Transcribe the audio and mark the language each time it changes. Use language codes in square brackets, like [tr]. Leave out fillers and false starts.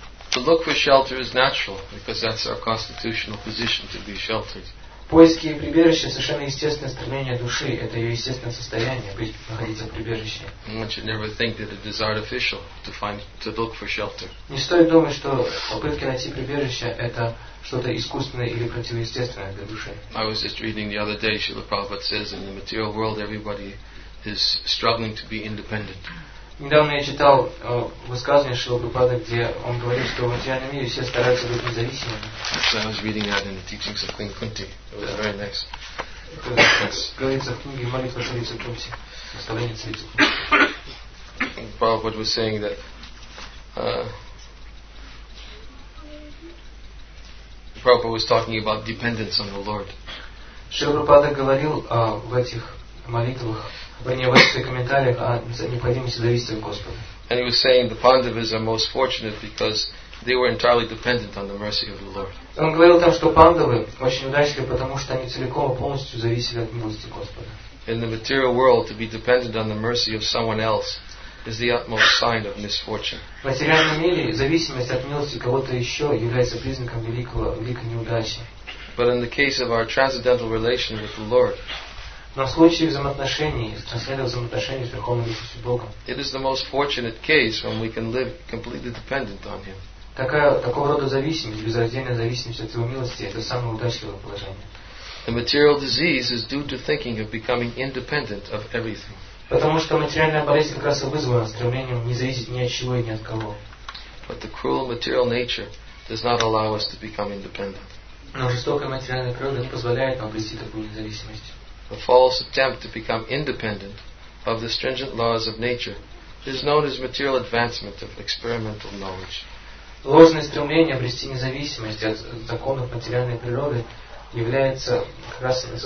[en] To look for shelter is natural because that's our constitutional position to be sheltered. [ru] Поиски и прибежище — совершенно естественное стремление души, это ее естественное состояние, быть, находиться в прибежище. [en] One should never think that it is artificial to find, to look for shelter. [ru] Не стоит думать, что попытки найти прибежище — это что-то искусственное или противоестественное для души. [en] I was just reading the other day, Srila Prabhupada says, in the material world everybody is struggling to be independent. [ru] Недавно я читал высказывание Шрилы Прабхупады, где он говорит, что в материальном мире все стараются быть независимыми. [en] So I was reading that in the teachings of Queen Kunti. It was very nice. [ru] Говорится в книге «Молитва Шрилы Кунти», «Наставление Шрилы Кунти». [en] Prabhupada was saying that Prabhupada was talking about dependence on the Lord. [ru] Шрила Прабхупада говорил в этих молитвах, не в своих комментариях, а необходимости зависеть от Господа. [en] And he was saying the Pandavas are most fortunate because they were entirely dependent on the mercy of the Lord. [ru] Он говорил там, что Пандавы очень удачливы, потому что они целиком и полностью зависели от милости Господа. [en] In the material world, to be dependent on the mercy of someone else is the utmost sign of misfortune. [ru] В материальном мире зависимость от милости кого-то еще является признаком великой неудачи. [en] But in the case of our transcendental relation with the Lord, [ru] но в случае взаимоотношений, трансцендентных взаимоотношений с Верховной Личностью Бога, [en] it is the most fortunate case when we can live completely dependent on Him. [ru] Такого рода зависимость, безраздельная зависимость от Его милости, это самое удачливое положение. [en] The material disease is due to thinking of becoming independent of everything. [ru] Потому что материальная болезнь как раз и вызвана стремлением не зависеть ни от чего и ни от кого. [en] But the cruel material nature does not allow us to become independent. [ru] Но жестокая материальная природа не позволяет нам обрести такую независимость. [en] The false attempt to become independent of the stringent laws of nature is known as material advancement of experimental knowledge. [ru] Ложное стремление обрести независимость от законов материальной природы является как раз